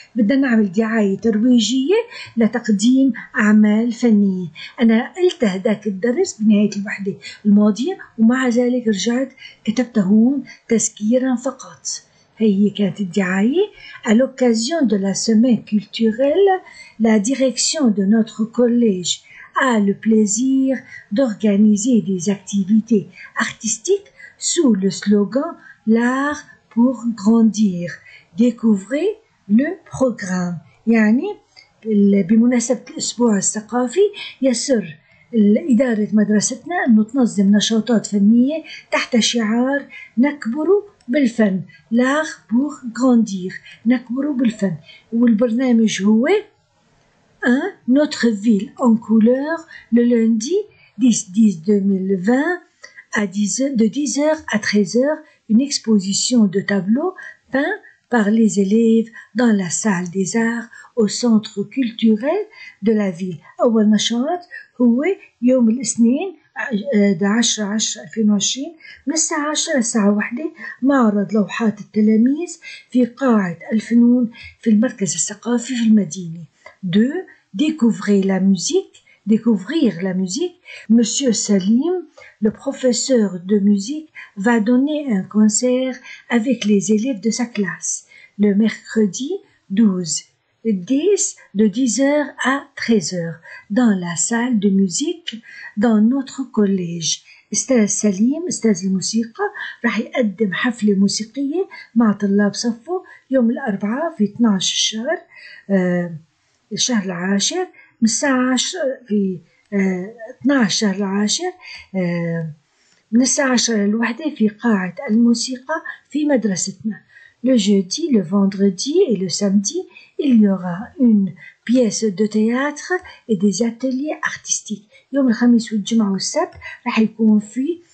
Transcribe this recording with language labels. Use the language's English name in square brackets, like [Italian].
[Arabic] بدنا نعمل دعاية ترويجية لتقديم أعمال فنية. أنا قلت هداك الدرس بنهاية الوحدة الماضية، ومع ذلك رجعت كتبته هون تذكيرا فقط. هي كانت الدعاية. [French] à l'occasion de la semaine culturelle, la direction de notre collège a le plaisir d'organiser des activités artistiques sous le slogan l'art pour grandir. découvrez le programme. [Arabic] يعني بمناسبة الأسبوع الثقافي يسر إدارة مدرستنا أن تنظم نشاطات فنية تحت شعار نكبر بالفن. [French] l'art pour grandir. [Arabic] نكبر بالفن. والبرنامج هو [French] notre ville en couleur le lundi 10-10-2020 de 10h à 13h. une exposition de tableaux peints par les élèves dans la salle des arts au centre culturel de la ville. [Arabic] أول نشاط هو يوم الاثنين 10/10/2020 من الساعة 10 للساعة 1 معرض لوحات التلاميذ في قاعة الفنون في المركز الثقافي في المدينة. [French] 2 découvrir la musique. découvrir la musique. monsieur Salim, le professeur de musique, va donner un concert avec les élèves de sa classe le mercredi 12/10 de 10h à 13h dans la salle de musique dans notre collège. [Arabic] استاذ سليم استاذ الموسيقى راح يقدم حفلة موسيقية مع طلاب صفه يوم الأربعاء في 12 الشهر الشهر العاشر من الساعة 10 في 12 شهر العاشر من الساعة 10 للوحدة في قاعة الموسيقى في مدرستنا. [French] le jeudi, le vendredi et le samedi, il y aura une pièce de théâtre et des ateliers artistiques. [Arabic] يوم الخميس والجمعة والسبت راح يكون في